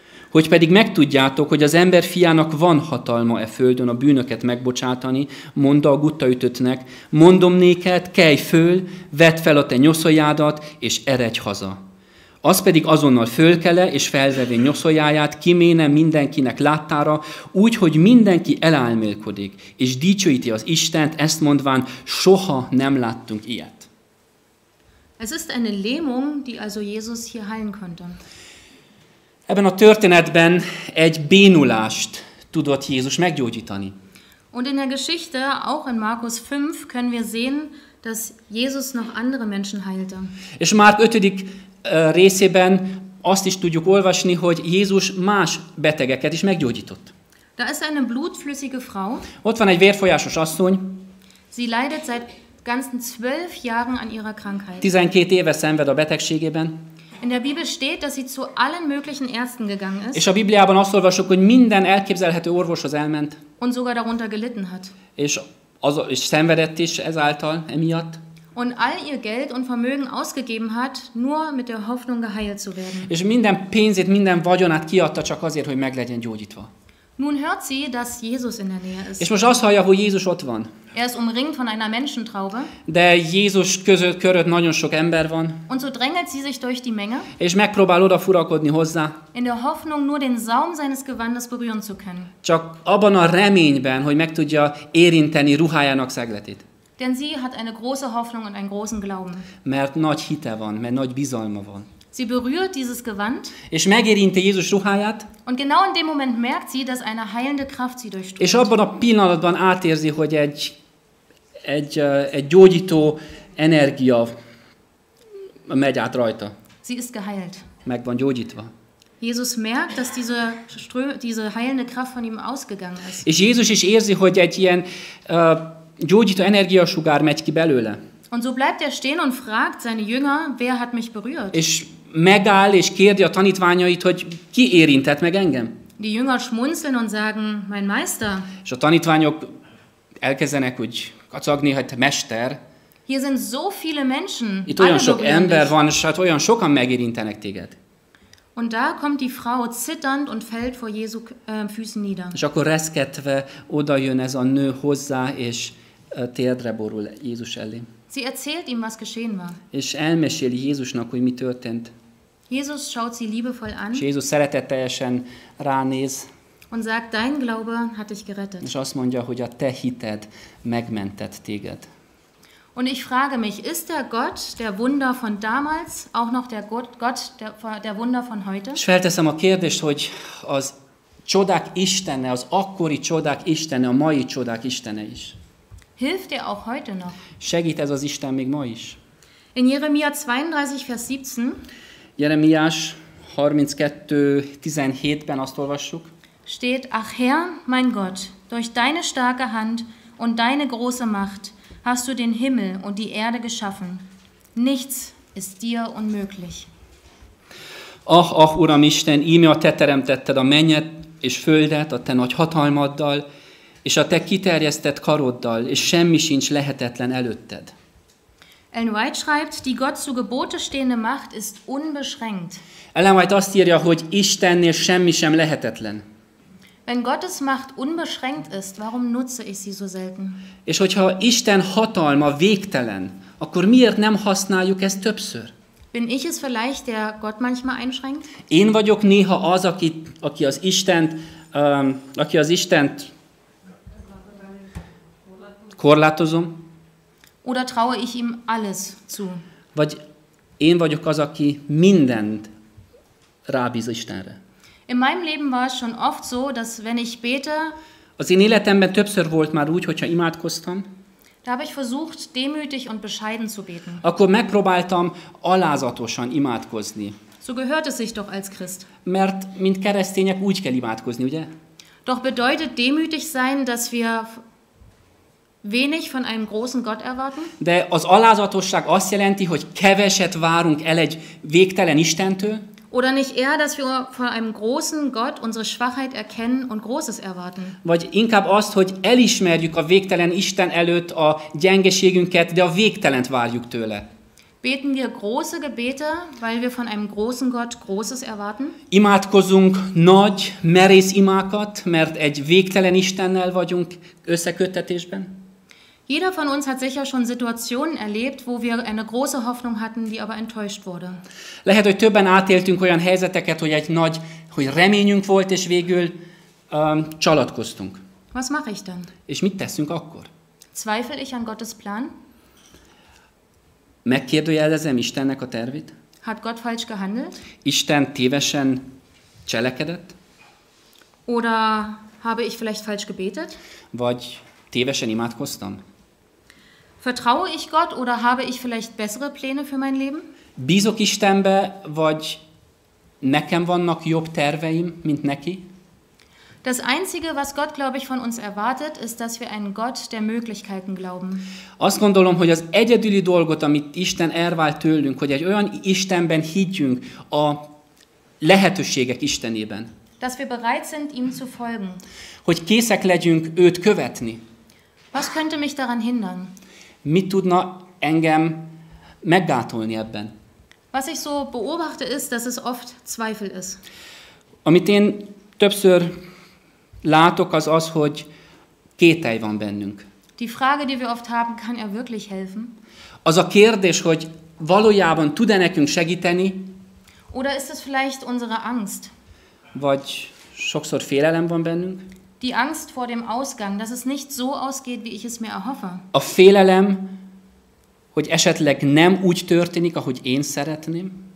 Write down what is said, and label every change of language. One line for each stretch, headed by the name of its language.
Hungarian: Hogy pedig megtudjátok, hogy az ember fiának van hatalma e földön a bűnöket megbocsátani, mondta a guttaütöttnek, mondom néked, kelj föl, vedd fel a te nyoszójádat és eredj haza. Az pedig azonnal fölkele és felvevé nyoszójáját, kiméne mindenkinek láttára, úgy, hogy mindenki elálmélkodik, és dicsőíti az Istent, ezt mondván, soha nem láttunk ilyet.
German: Es ist eine Lähmung, die also Jesus hier heilen konnte.
Hungarian: Ebben a történetben egy bénulást tudott Jézus meggyógyítani.
German: Und in der Geschichte, auch in Markus 5, können wir sehen, dass Jesus noch andere Menschen heilte.
Hungarian: És Márk 5. részében azt is tudjuk olvasni, hogy Jézus más betegeket is meggyógyított.
German: Da ist eine blutflüssige Frau.
Hungarian: Ott van egy vérfolyásos asszony.
German: Sie leidet seit ganzen 12 Jahren an ihrer Krankheit.
Hungarian: 12 éve szenved a betegségében.
German: In der Bibel steht, dass sie zu allen möglichen Ärzten gegangen ist.
Hungarian: És a Bibliában azt olvasok, hogy minden elképzelhető orvoshoz elment.
German: Und sogar darunter gelitten hat.
Hungarian: És szenvedett is ezáltal, emiatt.
German: Und all ihr Geld und Vermögen ausgegeben hat, nur mit der Hoffnung geheilt zu werden.
Hungarian: És minden pénzét, minden vagyonát kiadta csak azért, hogy meg legyen gyógyítva.
German: Nun hört sie, dass Jesus in der Nähe ist.
Hungarian: És most azt hallja, hogy Jézus ott van.
German: Er ist umringt von einer Menschentraube.
Hungarian: De Jézus körött nagyon sok ember van.
German: Und so drängelt sie sich durch die Menge.
Hungarian: És megpróbál oda furakodni hozzá.
German: In der Hoffnung, nur den Saum seines Gewandes berühren zu können.
Hungarian: Csak abban a reményben, hogy meg tudja érinteni ruhájának szegletét.
German: Denn sie hat eine große Hoffnung und einen großen Glauben.
Hungarian: Mert nagy hite van, mert nagy bizalma van.
German: Sie berührt dieses Gewand.
Hungarian: És megérinti Jézus ruháját.
German: Und genau in dem Moment merkt sie, dass eine heilende Kraft sie durchströmt.
Hungarian: És abban a pillanatban átérzi, hogy egy gyógyító energia megy át rajta.
German: Sie ist geheilt.
Hungarian: Meg van gyógyítva.
German: Jesus merkt, dass diese heilende Kraft von ihm ausgegangen ist.
Hungarian: És Jézus is érzi, hogy egy ilyen gyógyító energiasugár megy ki belőle.
German: Und so bleibt er stehen und fragt seine Jünger, wer hat mich berührt?
Hungarian: És megáll és kérdi a tanítványait, hogy ki érintett meg engem?
German: Die Jünger schmunzeln und sagen, mein Meister.
Hungarian: És a tanítványok elkezdenek úgy kacagni, hogy te mester.
German: Hier sind so viele Menschen.
Hungarian: Itt olyan sok ember van, és hát olyan sokan megérintenek téged.
German: Und da kommt die Frau zitternd und fällt vor Jesu Füßen nieder.
Hungarian: És akkor reszketve odajön ez a nő hozzá, és térdre borul Jézus elé.
German: Sie erzählt ihm, was geschehen war.
Hungarian: És elmeséli Jézusnak, hogy mi történt.
German: Jesus schaut sie liebevoll an.
Hungarian: És Jézus szeretetteljesen ránéz.
German: Und sagt, dein Glaube hat dich gerettet.
Hungarian: És azt mondja, hogy a te hited megmentett téged.
German: Und ich frage mich, ist der Gott der Wunder von damals auch noch der Gott der Wunder von heute?
Hungarian: És felteszem a kérdést, hogy az csodák Istene, az akkori csodák Istene, a mai csodák Istene is.
German: Hilft dir auch heute noch?
Hungarian: Segít ez az Isten még ma is?
German: In Jeremia 32, Vers 17.
Hungarian: Jeremiás 32:17-ben azt olvassuk.
German: Steht, ach Herr, mein Gott, durch deine starke Hand und deine große Macht hast du den Himmel und die Erde geschaffen. Nichts ist dir unmöglich.
Hungarian: Ach, ach, Uram Isten, íme a te teremtetted a mennyet és földet a te nagy hatalmaddal, és a te kiterjesztett karoddal, és semmi sincs lehetetlen előtted.
German: Ellen White schreibt, die Gott zu Gebote stehende Macht ist unbeschränkt.
Hungarian: Ellen White azt írja, hogy Istennél semmi sem lehetetlen.
German: Wenn Gottes Macht unbeschränkt ist, warum nutze ich sie so selten?
Hungarian: És hogyha Isten hatalma végtelen, akkor miért nem használjuk ezt többször?
German: Bin ich es vielleicht, der Gott manchmal einschränkt?
Hungarian: Én vagyok néha az, aki az Istent, aki az Istent korlátozom.
German: Oder traue ich ihm alles zu?
Hungarian: Vagy én vagyok az, aki mindent rábíz Istenre.
German: In meinem Leben war es schon oft so, dass wenn ich bete,
Hungarian: az én életemben többször volt már úgy, hogyha imádkoztam,
German: da habe ich versucht, demütig und bescheiden zu beten.
Hungarian: Akkor megpróbáltam alázatosan imádkozni.
German: So gehört es sich doch als Christ.
Hungarian: Mert mint keresztények úgy kell imádkozni, ugye?
German: Doch bedeutet demütig sein, dass wir wenig von einem großen Gott erwarten?
Hungarian: De az alázatosság azt jelenti, hogy keveset várunk el egy végtelen Istentől?
German: Oder nicht eher, dass wir von einem großen Gott unsere Schwachheit erkennen und Großes erwarten?
Hungarian: Vagy inkább azt, hogy elismerjük a végtelen Isten előtt a gyengeségünket, de a végtelent várjuk tőle.
German: Beten wir große Gebete, weil wir von einem großen Gott Großes erwarten?
Hungarian: Imádkozunk nagy, merész imákat, mert egy végtelen Istennel vagyunk összeköttetésben?
German: Jeder von uns hat sicher schon Situationen erlebt, wo wir eine große Hoffnung hatten, die aber enttäuscht wurde.
Hungarian: Lehet, hogy többen átéltünk olyan helyzeteket, hogy egy nagy, hogy reményünk volt, és végül csalatkoztunk.
German: Was mache ich dann?
Hungarian: És mit teszünk akkor?
German: Zweifel ich an Gottes Plan?
Hungarian: Megkérdőjelezem Istennek a tervét?
German: Hat Gott falsch gehandelt?
Hungarian: Isten tévesen cselekedett?
German: Oder habe ich vielleicht falsch gebetet?
Hungarian: Vagy tévesen imádkoztam?
German: Vertraue ich Gott oder habe ich vielleicht bessere Pläne für mein Leben?
Hungarian: Bízok Istenbe, vagy nekem vannak jobb terveim, mint neki?
German: Das Einzige, was Gott, glaube ich, von uns erwartet, ist, dass wir einen Gott der Möglichkeiten glauben.
Hungarian: Azt gondolom, hogy az egyedüli dolgot, amit Isten elvált tőlünk, hogy egy olyan Istenben higgyünk, a lehetőségek Istenében.
German: Dass wir bereit sind, ihm zu folgen.
Hungarian: Hogy készek legyünk őt követni.
German: Was könnte mich daran hindern?
Hungarian: Mit tudna engem meggátolni ebben?
German: Was ich so beobachte ist, dass es oft Zweifel ist.
Hungarian: Amit én többször látok, az az, hogy kétely van bennünk.
German: Die Frage, die wir oft haben, kann er wirklich helfen?
Hungarian: Az a kérdés, hogy valójában tud-e nekünk segíteni?
German: Oder ist es vielleicht unsere Angst?
Hungarian: Vagy sokszor félelem van bennünk?
German: Die Angst vor dem Ausgang, dass es nicht so ausgeht, wie ich es mir erhoffe.
Hungarian: A félelem, hogy esetleg nem úgy történik, ahogy én szeretném.